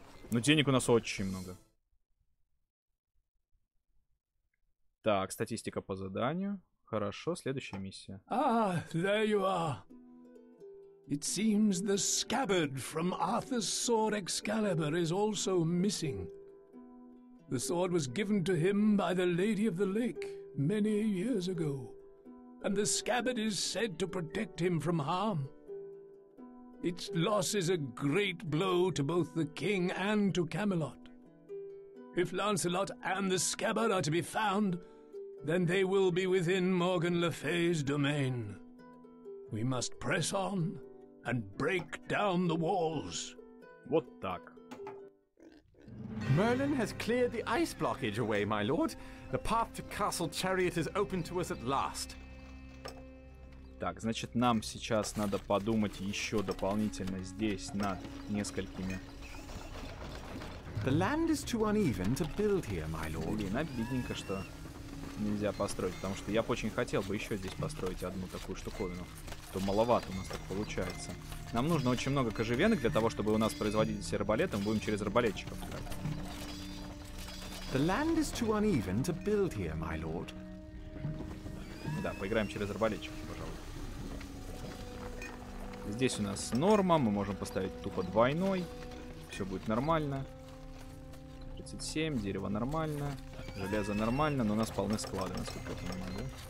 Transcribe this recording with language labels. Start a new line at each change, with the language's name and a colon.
Russian: Но денег у нас очень много. Так, статистика по заданию. Хорошо, следующая миссия.
English: There you are. It seems the scabbard from Arthur's sword Excalibur is also missing. The sword was given to him by the Lady of the Lake many years ago, and the scabbard is said to protect him from harm. Its loss is a great blow to both the king and to Camelot. If Lancelot and the scabbard are to be found, then they will be within Morgan Le Fay's domain. We must press on and break down the walls. What duck? Merlin has cleared the ice blockage away, my lord. The path to Castle Chariot is open to us at last.
Russian: Так, значит, нам сейчас надо подумать еще дополнительно здесь над несколькими.
English: The land is too uneven to build here, my lord.
Russian: Блин, обидненько, что нельзя построить, потому что я бы очень хотел бы еще здесь построить одну такую штуковину. То маловато у нас так получается. Нам нужно очень много кожевенок для того, чтобы у нас производить здесь арбалеты, мы будем через арбалетчиков.
English: The land is too uneven to build here, my lord.
Russian: Да, поиграем через арбалетчиков, пожалуй. Здесь у нас норма, мы можем поставить тупо двойной. Все будет нормально. 37, дерево нормально, железо нормально, но у нас полны склады, насколько я понимаю, да?